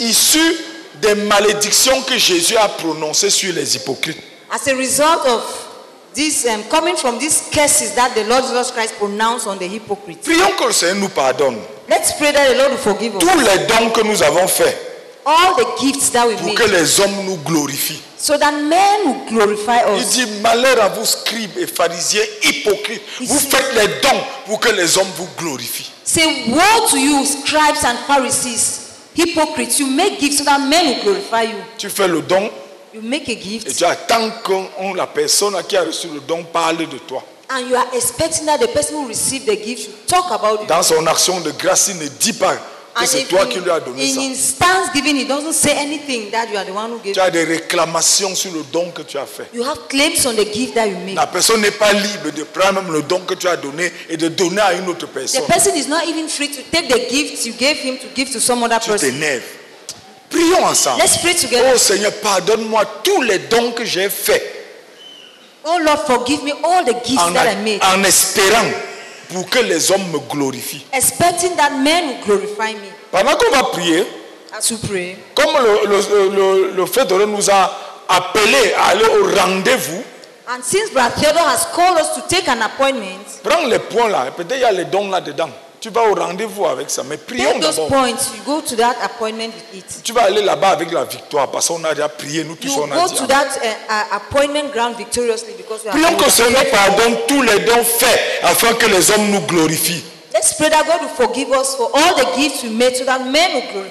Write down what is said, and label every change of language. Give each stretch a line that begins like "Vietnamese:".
French: Issus des malédictions que Jésus a prononcées sur les hypocrites.
English: As a result of this coming from these curses that the Lord Jesus Christ pronounced on the hypocrites.
French: Prions que le Seigneur nous pardonne.
English: Let's pray that the Lord will forgive us.
French: Tous les dons que nous avons faits.
English: All the gifts that we
French: pour
English: made.
French: Que les hommes nous glorifient.
English: So that men will glorify us.
French: Il dit malheur à vous scribes et pharisiens hypocrites. Vous faites les dons pour que les hommes vous glorifient.
English: Say woe to you scribes and Pharisees, hypocrites. You make gifts so that men will glorify you.
French: Tu fais le don.
English: You make a gift.
French: Et tu attends que la personne qui a reçu le don parle de toi.
English: And you are expecting that the person who received the gift should talk about you.
French: Dans son action de grâce, il ne dit pas que
English: and
French: c'est toi qui lui as donné
English: in
French: ça.
English: In stance giving, he doesn't say anything that you are the one who gave.
French: Tu as des réclamations sur le don que tu as fait.
English: You have claims on the gift that you made.
French: La personne n'est pas libre de prendre même le don que tu as donné et de donner à une autre personne.
English: The person is not even free to take the gift you gave him to give to some other
French: tu
English: person.
French: Tu t'énerves. Prions ensemble.
English: Let's pray together.
French: Oh Seigneur, pardonne-moi tous les dons que j'ai faits.
English: Oh Lord, forgive me all the gifts
French: en,
English: that I made.
French: En espérant pour que les hommes me glorifient.
English: Expecting that men will glorify me.
French: Pendant qu'on va prier,
English: as we pray,
French: comme le Fédoré nous a appelé à aller au rendez-vous,
English: and since Brother Theodore has called us to take an appointment,
French: prends les points là, peut-être il y a les dons là-dedans. Tu vas au rendez-vous avec ça, mais prions
English: those
French: d'abord.
English: Points, you go to that appointment with it.
French: Tu vas aller là-bas avec la victoire parce qu'on a déjà prié, nous tous
English: you
French: on a
English: go
French: dit.
English: To that, appointment ground victoriously because
French: prions que le Seigneur pardonne tous les dons faits afin que les hommes nous glorifient.
English: Let's pray that God will forgive us for all the gifts we made so that men will glorify.